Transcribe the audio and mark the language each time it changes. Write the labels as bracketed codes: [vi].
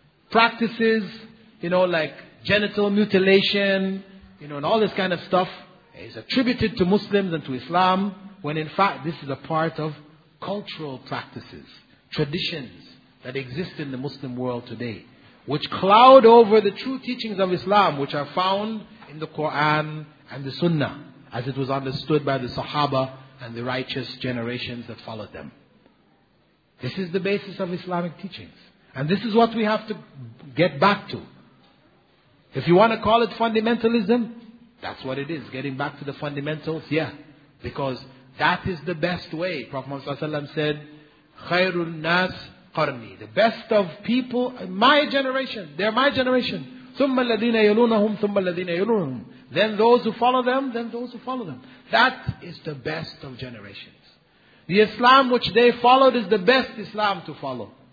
[en] Practices, you know, like genital mutilation, you know, and all this kind of stuff is attributed to Muslims and to Islam, when in fact this is a part of cultural practices, traditions that exist in the Muslim world today, which cloud over the true teachings of Islam, which are found in the Quran and the Sunnah, as it was understood by the Sahaba and the righteous generations that followed them. This is the basis of Islamic teachings. And this is what we have to get back to. If you want to call it fundamentalism, that's what it is. Getting back to the fundamentals, yeah. Because that is the best way. Prophet Muhammad ﷺ said, [ar] خَيْرُ النَّاسِ قَرْنِي. [en] The best of people, my generation, they're my generation. [ar] ثُمَّ الَّذِينَ يَلُونَهُمْ ثُمَّ الَّذِينَ يَلُونَهُمْ. [en] Then those who follow them, then those who follow them. That is the best of generations. The Islam which they followed is the best Islam to follow.